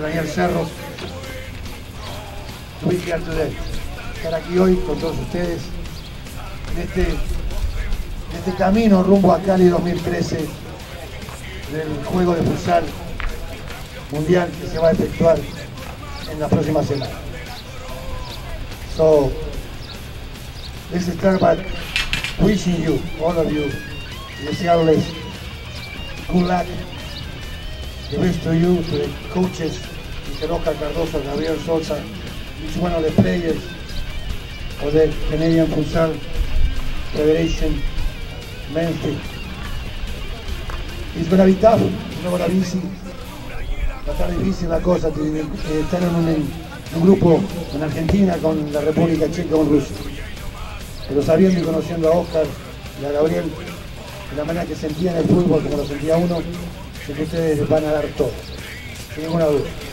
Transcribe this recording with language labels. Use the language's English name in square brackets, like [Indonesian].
[English] Daniel Cerro, to be here today. [Spanish] Estar aquí hoy con todos ustedes en este camino rumbo a Cali 2013 del juego de futsal mundial que se va a efectuar en la próxima semana. [English] So, let's start by wishing you, all of you, [Spanish] desearles [English] good luck, the best to you, to the coaches, Mr. Oscar Cardoso, Gabriel Sosa, each one of the players of the Canadian Futsal Federation. Mente. It's gonna be tough, it's not gonna be easy. [Spanish] Va a estar difícil la cosa de estar en un grupo en Argentina con la República Checa o en Rusia. Pero sabiendo y conociendo a Oscar y a Gabriel, de la manera que sentían el fútbol como lo sentía uno, sé que ustedes van a dar todo, sin ninguna duda.